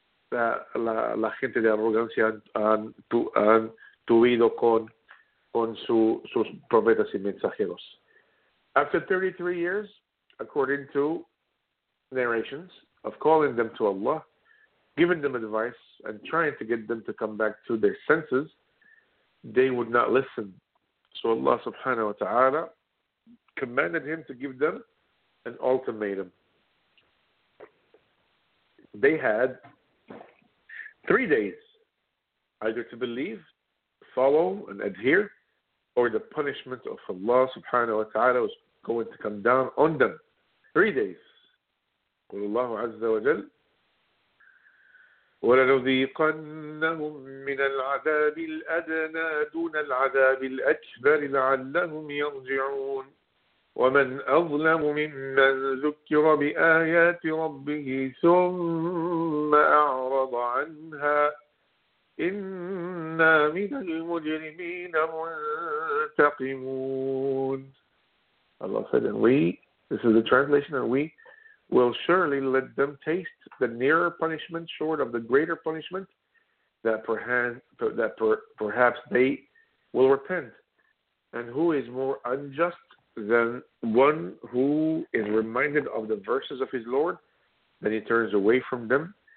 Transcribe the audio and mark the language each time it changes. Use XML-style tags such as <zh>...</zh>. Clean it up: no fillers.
<es>La misma respuesta que la gente de arrogancia han tuvido con sus profetas y mensajeros.</es> <en>After 33 years, according to narrations of calling them to Allah, giving them advice and trying to get them to come back to their senses, they would not listen. So Allah subhanahu wa ta'ala commanded him to give them an ultimatum. They had 3 days, either to believe, follow, and adhere, or the punishment of Allah subhanahu wa ta'ala was going to come down on them. 3 days.</en> <ar>Allah azza wa jal, وَلَنُذِيقَنَّهُمْ مِنَ الْعَذَابِ الْأَدْنَى دُونَ الْعَذَابِ الْأَكْبَرِ لَعَلَّهُمْ يَرْجِعُونَ وَمَنْ أَظْلَمُ مِمَّنْ ذُكِّرَ بِآيَاتِ رَبِّهِ ثُمَّ أَعْرَضَ عَنْهَا إِنَّا مِنَ الْمُجْرِمِينَ مُنْتَقِمُونَ.</ar> <en>Allah said, this is the translation, and we will surely let them taste the nearer punishment short of the greater punishment that perhaps they will repent. And who is more unjust than one who is reminded of the verses of his Lord, then he turns away from them?</en>